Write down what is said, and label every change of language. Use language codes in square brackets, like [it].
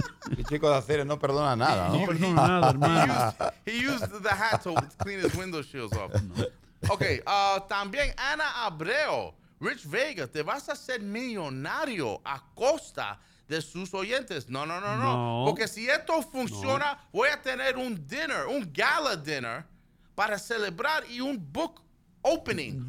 [es] El chico de acero no perdona nada, ¿no? No perdona nada, hermano. [en] He used the hat to clean his window shields off. [es] Okay, también Ana Abreu, Rich Vega, te vas a hacer millonario a costa de sus oyentes. No. Porque si esto funciona, voy a tener un [en] gala dinner [es] para celebrar y un [en] book opening,